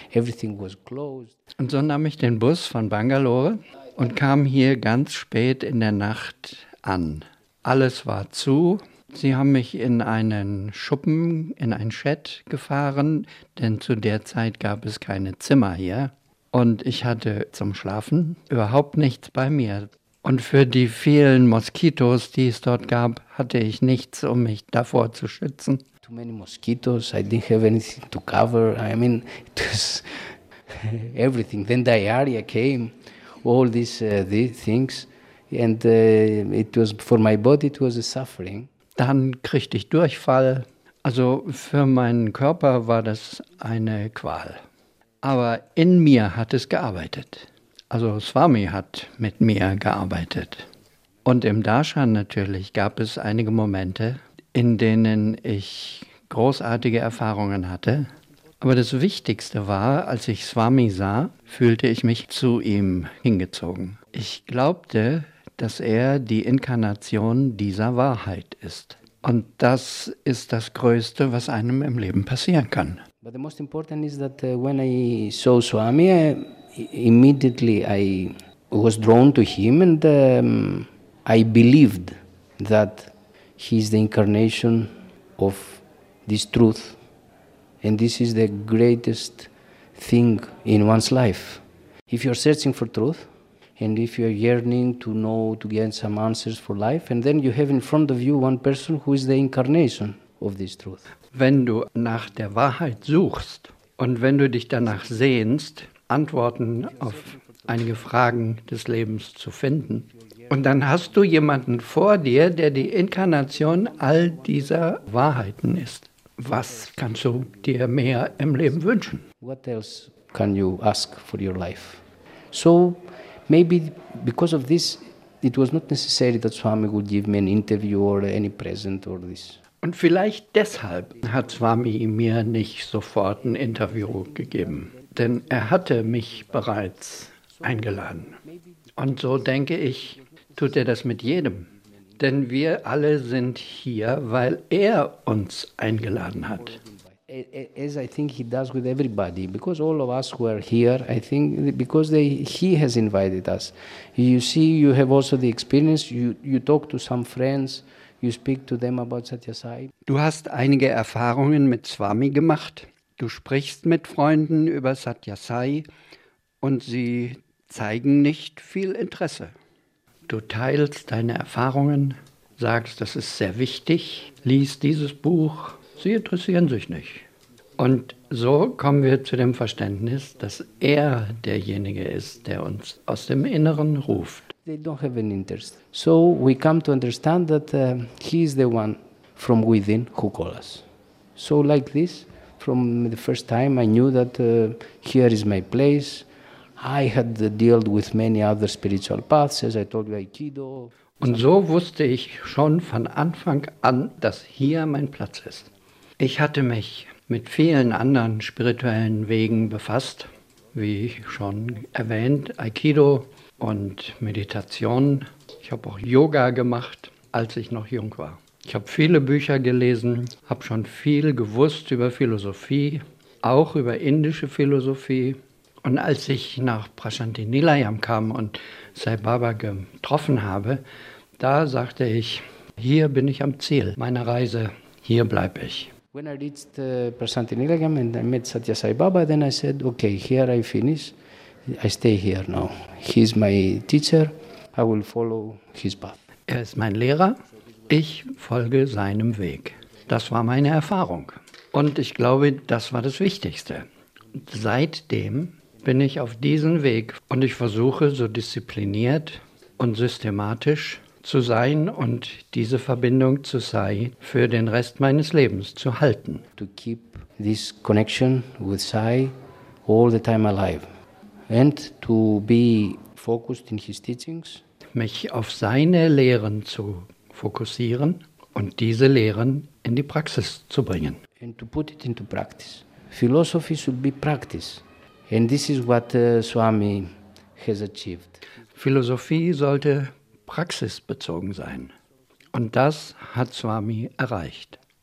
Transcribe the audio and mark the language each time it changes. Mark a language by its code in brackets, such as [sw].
[en] Everything was closed. [de] Und so nahm ich den Bus von Bangalore und kam hier ganz spät in der Nacht an. Alles war zu. Sie haben mich in einen Schuppen, in ein Shed gefahren, denn zu der Zeit gab es keine Zimmer hier. Und ich hatte zum Schlafen überhaupt nichts bei mir. Und für die vielen Moskitos, die es dort gab, hatte ich nichts, um mich davor zu schützen. [en] Too many mosquitoes, I didn't have anything to cover. I mean, it was everything. Then diarrhea came, all these things. And it was for my body, it was a suffering. [de] Dann kriegte ich Durchfall. Also für meinen Körper war das eine Qual. Aber in mir hat es gearbeitet. Also Swami hat mit mir gearbeitet. Und im Darshan natürlich gab es einige Momente, in denen ich großartige Erfahrungen hatte. Aber das Wichtigste war, als ich Swami sah, fühlte ich mich zu ihm hingezogen. Ich glaubte, dass er die Inkarnation dieser Wahrheit ist. Und das ist das Größte, was einem im Leben passieren kann. [en] But the most important is that when I saw Swami, immediately I was drawn to him and I believed that he is the incarnation of this truth. And this is the greatest thing in one's life. If you are searching for truth, and if you are yearning to know, to get some answers for life, and then you have in front of you one person who is the incarnation of this truth. [de] Wenn du nach der Wahrheit suchst und wenn du dich danach sehnst, Antworten auf einige Fragen des Lebens zu finden, und dann hast du jemanden vor dir, der die Inkarnation all dieser Wahrheiten ist. Was kannst du dir mehr im Leben wünschen? [en] What else can you ask for your life? So, maybe because of this, it was not necessary that Swami would give me an interview or any present or this. [de] Und vielleicht deshalb hat Swami mir nicht sofort ein Interview gegeben, denn er hatte mich bereits eingeladen. Und so denke ich, tut er das mit jedem. Denn wir alle sind hier, weil er uns eingeladen hat. [en] As I think he does with everybody, because all of us who are here, I think because he has invited us. You see, you have also the experience, you talk to some friends, you speak to them about Satya Sai. [de] Du hast einige Erfahrungen mit Swami gemacht. Du sprichst mit Freunden über Satya Sai und sie zeigen nicht viel Interesse. Du teilst deine Erfahrungen, sagst, das ist sehr wichtig, liest dieses Buch. Sie interessieren sich nicht. Und so kommen wir zu dem Verständnis, dass er derjenige ist, der uns aus dem Inneren ruft. [en] They don't have an interest. So we come to understand that he is the one from within who calls us. So like this, from the first time I knew that here is my place. I had dealt with many other spiritual paths, as I told you, Aikido. [de] Und so wusste ich schon von Anfang an, dass hier mein Platz ist. Ich hatte mich mit vielen anderen spirituellen Wegen befasst, wie schon erwähnt, Aikido und Meditation. Ich habe auch Yoga gemacht, als ich noch jung war. Ich habe viele Bücher gelesen, habe schon viel gewusst über Philosophie, auch über indische Philosophie. Und als ich nach Prashanthi Nilayam kam und Sai Baba getroffen habe, da sagte ich, hier bin ich am Ziel meiner Reise, hier bleibe ich. [en] When I reached Prashanthi Nilayam and I met Satya Sai Baba, then I said, okay, here I finish, I stay here now. He's my teacher, I will follow his path. [de] Er ist mein Lehrer, ich folge seinem Weg. Das war meine Erfahrung. Und ich glaube, das war das Wichtigste. Seitdem bin ich auf diesem Weg und ich versuche, so diszipliniert und systematisch zu sein und diese Verbindung zu Sai für den Rest meines Lebens zu halten. [en] To keep this connection with Sai all the time alive and to be focused in his teachings. [de] Mich auf seine Lehren zu fokussieren und diese Lehren in die Praxis zu bringen. [en] And to put it into practice. Philosophy should be practice. And this is what Swami has achieved. [de] Philosophie sollte praxisbezogen sein. Und das hat Swami erreicht.